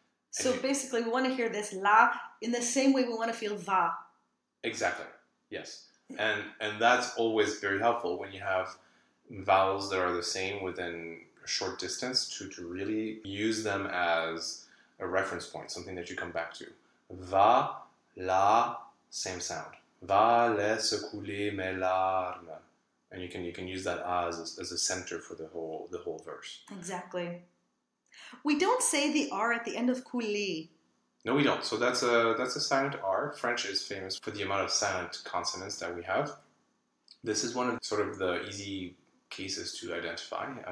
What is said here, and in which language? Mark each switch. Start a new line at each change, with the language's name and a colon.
English: So basically we want to hear this la in the same way we want to feel va. Exactly, yes. And that's always very helpful when you have vowels that are the same within a short distance to really use them as a reference point, something that you come back to. Va, la, same sound.
French: Va, laisse couler mes larmes.
English: And you can use that as a center for the whole verse. Exactly. We don't say the R at the end of couler. No, we don't. So that's a silent R. French is famous for the amount of silent consonants that we have. This is one of sort of the easy cases to identify.